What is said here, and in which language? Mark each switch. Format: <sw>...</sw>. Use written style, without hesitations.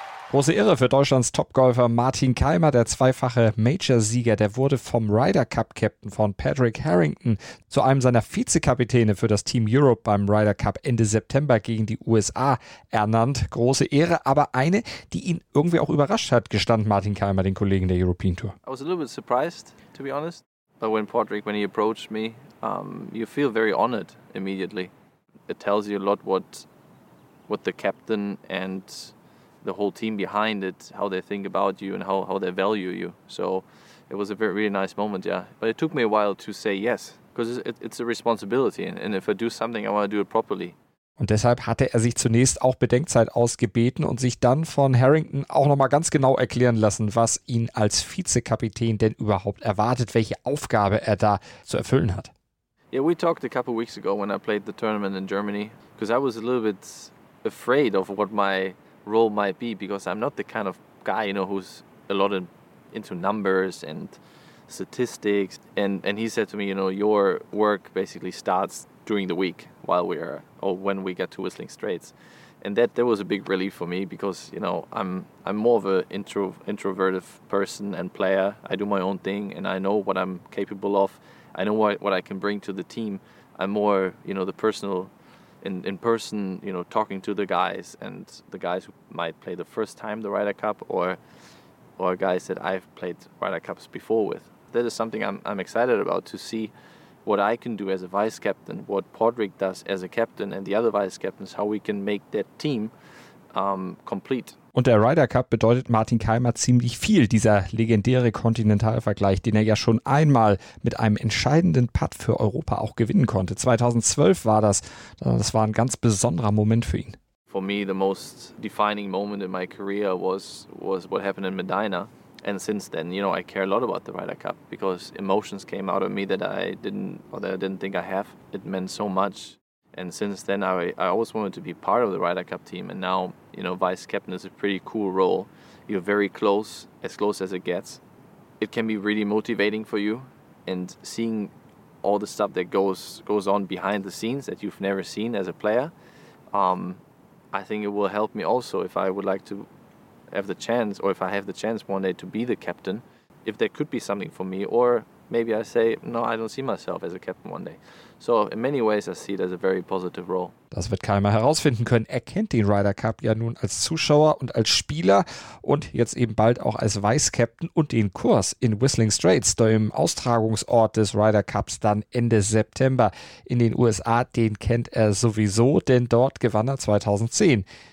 <de>Große Irre für Deutschlands Topgolfer Martin Keimer, der zweifache Major-Sieger, der wurde vom Ryder Cup-Captain von Patrick Harrington zu einem seiner Vizekapitäne für das Team Europe beim Ryder Cup Ende September gegen die USA ernannt. Große Ehre, aber eine, die ihn irgendwie auch überrascht hat, gestand Martin Keimer den Kollegen der European Tour.</de> <en>I was a little bit surprised, to be honest. But when Patrick, when he approached me, you feel very honored immediately. It tells you a lot what the captain and the whole team behind it, how they think about you and how they value you. So it was a very, really nice moment, yeah. But it took me a while to say yes, because it's a responsibility. And if I do something, I want to do it properly.</en> <de>Und deshalb hatte er sich zunächst auch Bedenkzeit ausgebeten und sich dann von Harrington auch nochmal ganz genau erklären lassen, was ihn als Vizekapitän denn überhaupt erwartet, welche Aufgabe er da zu erfüllen hat.</de> <en>Yeah, we talked a couple of weeks ago when I played the tournament in Germany, because I was a little bit afraid of what my role might be, because I'm not the kind of guy, you know, who's a lot into numbers and statistics. And he said to me, you know, your work basically starts during the week when we get to Whistling Straits. And that was a big relief for me, because, you know, I'm more of an introverted person and player. I do my own thing and I know what I'm capable of. I know what I can bring to the team. I'm more, you know, the personal in person, you know, talking to the guys, and the guys who might play the first time the Ryder Cup or guys that I've played Ryder Cups before with. That is something I'm excited about, to see what I can do as a vice captain, what Podrick does as a captain and the other vice captains, how we can make that team complete.</en> <de>Und der Ryder Cup bedeutet Martin Keimer ziemlich viel, dieser legendäre Kontinentalvergleich, den er ja schon einmal mit einem entscheidenden Putt für Europa auch gewinnen konnte. 2012 war das. Das war ein ganz besonderer Moment für ihn.</de> <en>For me, the most defining moment in my career was what happened in Medina. And since then, you know, I care a lot about the Ryder Cup, because emotions came out of me that I didn't think I have. It meant so much. And since then, I always wanted to be part of the Ryder Cup team. And now, you know, vice captain is a pretty cool role. You're very close as it gets. It can be really motivating for you. And seeing all the stuff that goes on behind the scenes that you've never seen as a player, I think it will help me also if I would like to have the chance, or if I have the chance one day to be the captain. If there could be something for me, or maybe I say, no, I don't see myself as a captain one day. So in many ways I see it as a very positive role.</en> <de>Das wird keiner herausfinden können. Er kennt den Ryder Cup ja nun als Zuschauer und als Spieler und jetzt eben bald auch als Vice-Captain und den Kurs in Whistling Straits, dem Austragungsort des Ryder Cups dann Ende September in den USA, den kennt er sowieso, denn dort gewann er 2010.</de>